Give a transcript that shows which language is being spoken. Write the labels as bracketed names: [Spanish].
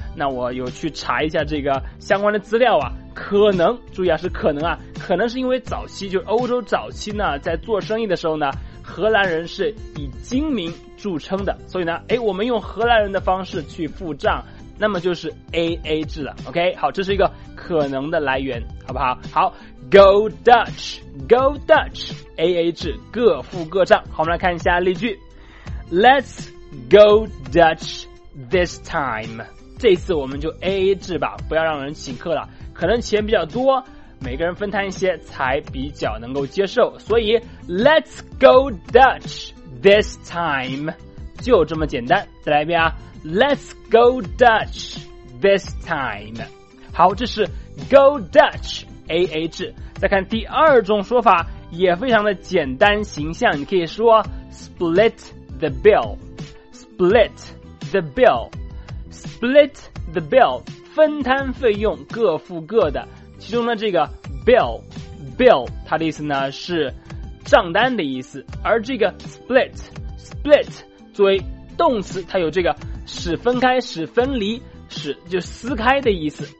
[Chinese] 那我有去查一下这个相关的资料啊，可能，注意啊，是可能啊，可能是因为早期，就是欧洲早期呢，在做生意的时候呢，荷兰人是以精明著称的，所以呢我们用荷兰人的方式去付账，那么就是 AA 制了， OK， 好，这是一个可能的来源，好不好？好， Go Dutch， Go Dutch， AA 制各付各账。好，我们来看一下例句。 [English] Let's go Dutch this time， [Chinese] 这次我们就 AA 制吧，不要让人请客了，可能钱比较多，每个人分摊一些才比较能够接受，所以 Let's go Dutch this time， 就这么简单。再来一遍啊， [English] Let's go Dutch this time。 [Chinese] 好，这是 Go Dutch AA 制。再看第二种说法，也非常的简单形象，你可以说 Split the bill， Split the bill， Split the bill， 分摊费用，各付各的。其中呢这个 bill 它的意思呢是账单的意思，而这个 split 作为动词，它有这个使分开、使分离、使就撕开的意思。